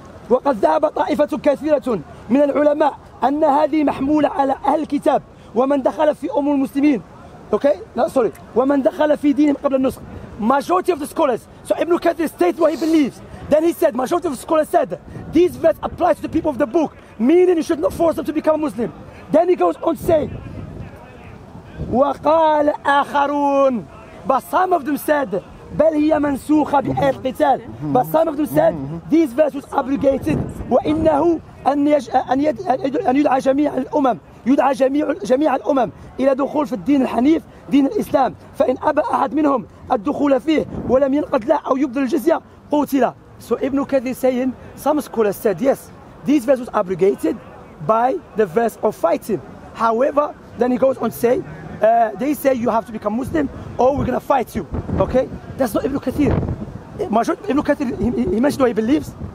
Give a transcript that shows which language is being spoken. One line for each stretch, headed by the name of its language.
Arabic: وقد ذهب طائفة كثيرة من العلماء أن هذه محمولة على أهل الكتاب ومن دخل في أمور المسلمين.
English: Okay? No, sorry.
Arabic: ومن دخل في دينهم قبل النسخ.
English: Majority of the scholars. So Ibn Kathir states what he believes. Then he said, majority of the scholars said, these verse applies to the people of the book, meaning you should not force them to become Muslim. Then he goes on to say,
Arabic: وقال آخرون.
English: But some of them said,
Arabic: بل هي منسوخة بآية القتال.
English: But some of them said, these verse was abrogated.
Arabic: وإنه أن يدعى جميع الأمم. يدعى جميع الأمم إلى دخول في الدين الحنيف دين الإسلام فإن أبى أحد منهم الدخول فيه ولم ينقد له أو يبذل الجزية قتل.
English: So Ibn Kathir saying some scholars said yes this verse was abrogated by the verse of fighting. However, then he goes on to say they say you have to become Muslim or we're gonna fight you. Okay, that's not Ibn Kathir. Ibn Kathir he mentioned what he believes.